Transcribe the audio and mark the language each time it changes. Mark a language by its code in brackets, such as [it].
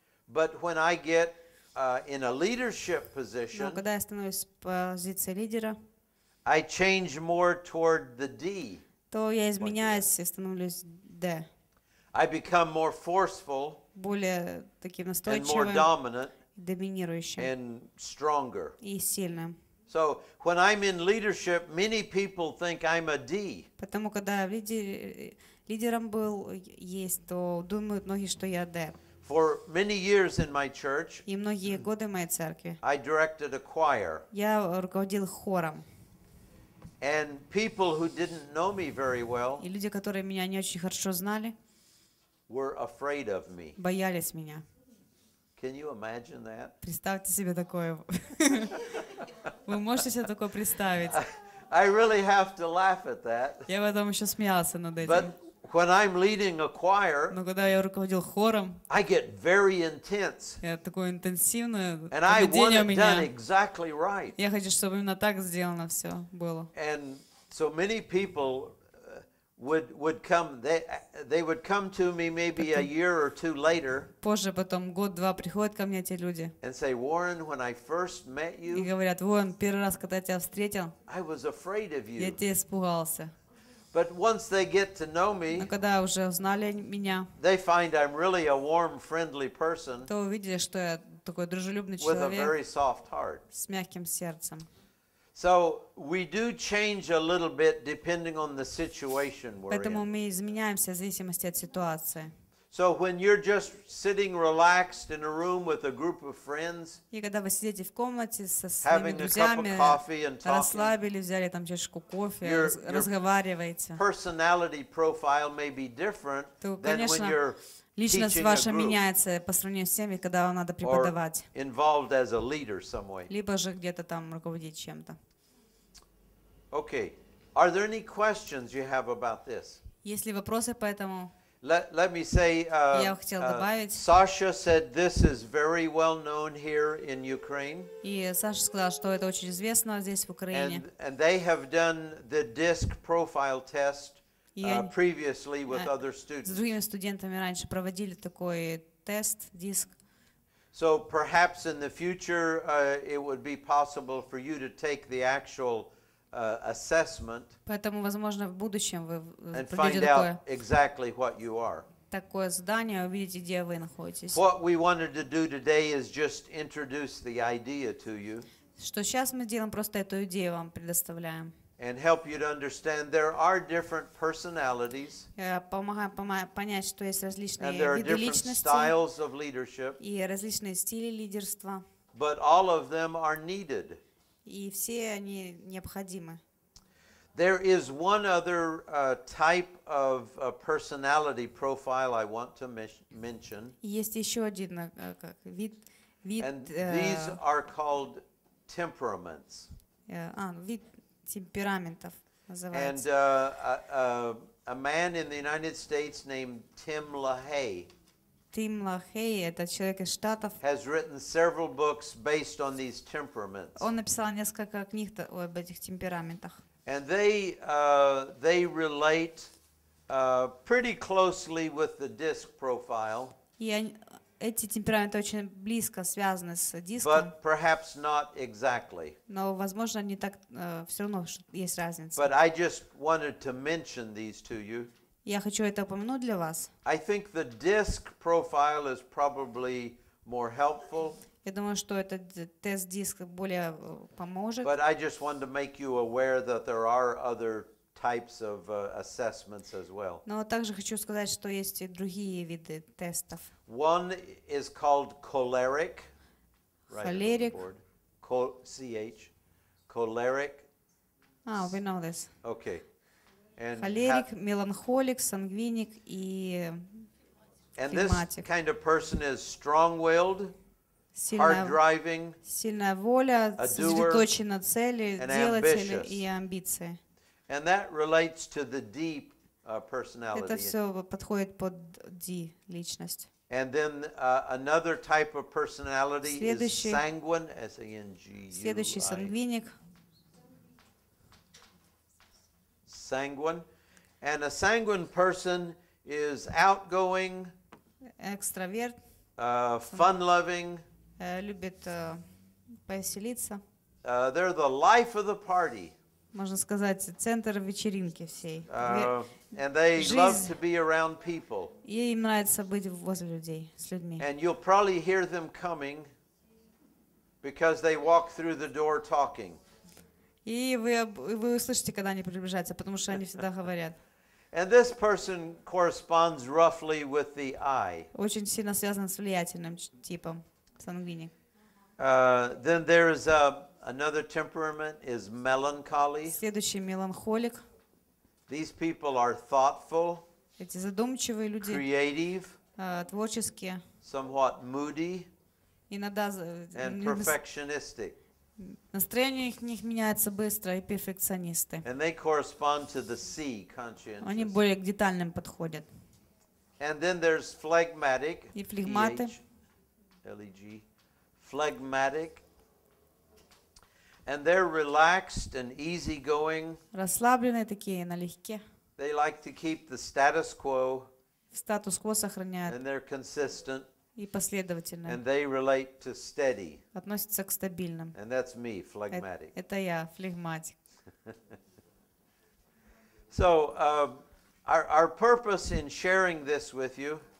[en] But when I get in a leadership position, [ru] но когда я становлюсь в позиции лидера, [en] I change more toward the D. [ru] То я изменяюсь и становлюсь Да. [en] I become more forceful, [ru] более таким настойчивым, [en] and more dominant, [ru] доминирующим, [en] and stronger. [ru] И сильным. [en] So when I'm in leadership, many people think I'm a D. [ru] Потому когда я лидером был, есть, то думают многие, что я Д. [en] For many years in my church, [ru] и многие годы в моей церкви, [en] I directed a choir. [ru] Я руководил хором. [en] And people who didn't know me very well, [ru] и люди, которые меня не очень хорошо знали, [en] were afraid of me. [ru] Боялись меня. [en] Can you imagine that? [ru] Представьте себе такое. Вы можете себе такое представить? [en] I really have to laugh at that. [ru] Я потом еще смеялся над этим. [en] But when I'm leading a choir, [ru] но когда я руководил хором, [en] I get very intense. [ru] Я такое интенсивное. [en] And I want it done exactly right. [ru] Я хочу, чтобы именно так сделано все было. [en] And so many people would come. They would come to me maybe a year or two later. [ru] Позже потом год-два приходят ко мне эти люди. [en] And say, Warren, when I first met you, [ru] и говорят, Уоррен, первый раз, когда я тебя встретил, [en] I was afraid of you. [ru] Я тебя испугался. [en] But once they get to know me, [ru] но когда уже узнали меня, [en] they find I'm really a warm, friendly person, [ru] то увидели, что я такой дружелюбный [en] with [ru] человек, [en] a very soft heart. [ru] С мягким сердцем. [en] So we do change a little bit depending on the situation we're in. [ru] Поэтому мы изменяемся в зависимости от ситуации. [en] So when you're just sitting relaxed in a room with a group of friends, [ru] и когда вы сидите в комнате со своими [en] having [ru] друзьями, [en] a cup of coffee and talking, [ru] расслабились, взяли там чашку кофе, разговариваете. [en] Your personality profile may be different [ru] то, [en] than [ru] конечно, [en] when you're [ru] личность ваша меняется по сравнению с теми, когда вам надо преподавать. [en] Involved as a leader some way. [ru] Либо же где-то там руководить чем-то. [en] Okay. Are there any questions you have about this? [ru] Есть ли вопросы по этому? [en] Let me say, Sasha said this is very well known here in Ukraine. [ru] И Саша сказала, что это очень известно здесь в Украине. [en] And they have done the DISC profile test previously with other students. [ru] С другими студентами раньше проводили такой тест DISC. [en] So perhaps in the future it would be possible for you to take the actual assessment. [ru] Поэтому возможно в будущем вы [en] and find out exactly what you are. [ru] Такое задание, увидите, где вы находитесь. [en] What we wanted to do today is just introduce the idea to you. [ru] Что сейчас мы делаем, просто эту идею вам предоставляем. [en] And help you to understand there are different personalities. [ru] Помогаю понять, что есть различные виды личности. [en] And there are different styles of leadership. [ru] И различные стили лидерства. [en] But all of them are needed. [ru] И все они необходимы. [en] There is one other type of personality profile I want to mention. [ru] Есть еще один вид. [en] And these are called temperaments. [ru] Вид темпераментов называется. [en] And a man in the United States named Tim LaHaye. [ru] Тим Лахей, это человек из Штатов. [en] Has written several books based on these temperaments. [ru] Он написал несколько книг об этих темпераментах. [en] And they relate pretty closely with the DISC profile. [ru] И эти темпераменты очень близко связаны с диском. [en] But perhaps not exactly. [ru] Но возможно не так, все равно есть разница. [en] But I just wanted to mention these to you. [ru] Я хочу это упомянуть для вас. [en] I think the DISC profile is probably more helpful. [ru] Я думаю, что этот тест DISC более поможет. [en] But I just wanted to make you aware that there are other types of assessments as well. [ru] Но также хочу сказать, что есть и другие виды тестов. [en] One is called choleric. [ru] Холерик. [en] Choleric. Oh, we know this. Okay. [ru] Холерик, меланхолик, сангвиник и флегматик. [en] This kind of person is strong-willed, hard-driving, [ru] сильная воля, сосредоточен на цели, делатель и амбиции. [en] And that relates to the deep personality. [ru] Это все подходит под D личность. [en] And then another type of personality [ru] следующий, [en] is sanguine, S-A-N-G-U-I. [ru] Следующий сангвиник. [en] Sanguine, and a sanguine person is outgoing, extrovert, fun-loving, [ru] любит повеселиться. [en] They're the life of the party. [ru] Можно сказать, центр вечеринки всей. [en] And they love to be around people. [ru] И им нравится быть возле людей, с людьми. [en] And you'll probably hear them coming because they walk through the door talking. [ru] И вы услышите, когда они приближаются, потому что они всегда говорят. [en] And this person corresponds roughly with the I. [ru] Очень сильно связан с влиятельным типом, сангвини. [en] Then there is another temperament is melancholy. [ru] Следующий меланхолик. [en] These people are thoughtful. [ru] Эти задумчивые люди. [en] Creative. [ru] Творческие. [en] Somewhat moody. [ru] Иногда. [en] And perfectionistic. [ru] Настроение у них меняется быстро, и перфекционисты. [en] And they correspond to the C, conscientious. [ru] Они более к детальным подходят. [en] And then there's phlegmatic, [ru] и флегматы. [en] L-E-G. Phlegmatic. And they're relaxed and easygoing. [ru] Расслабленные такие, налегке. [en] They like to keep the status quo. [ru] Статус-кво сохраняют. [en] And they're consistent. [ru] И последовательно. [en] And they relate to steady. [ru] Относятся к стабильным. [en] And that's me, phlegmatic. [ru] Это я, флегматик. [en] So, our purpose in sharing this with you.